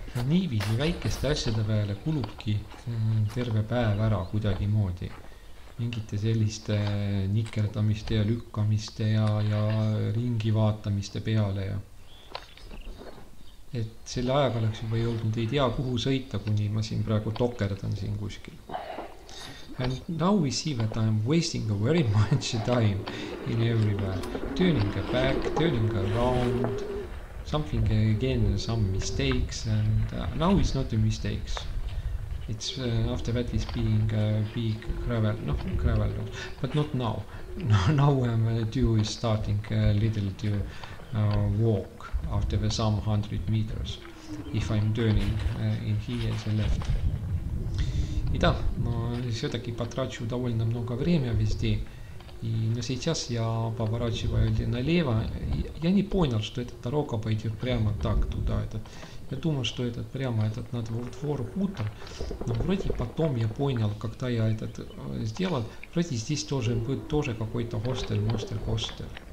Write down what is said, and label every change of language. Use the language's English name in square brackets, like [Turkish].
[Estonian] Niiviisi väikeste asjade peale kulubki terve päev ära kuidagi moodi. Mingite selliste nikerdamiste ja lükkamiste ja ringi vaatamiste peale. Ja. Et selle ajaga oleks juba jõudnud, ei tea kuhu sõita, kuni ma siin praegu tokerdan siin kuskil. [English] And now we see that I'm wasting a very much time in everywhere. Turning back, turning around. Something again, some mistakes, and now it's not a mistakes. It's after that is being a big gravel, no gravel, but not now. Now I'm starting a little to walk after the some 100 meters. If I'm turning in here to the left. [Russian] Ida, ma все-таки потрачу довольно много времени везде. И но сейчас я поворачиваю налево. Я не понял, что эта дорога пойдет прямо так туда. Я думал, что этот прямо этот надо вот хутор. Но вроде потом я понял, когда я этот сделал, вроде здесь тоже будет тоже какой-то хостел, мостер, хостел.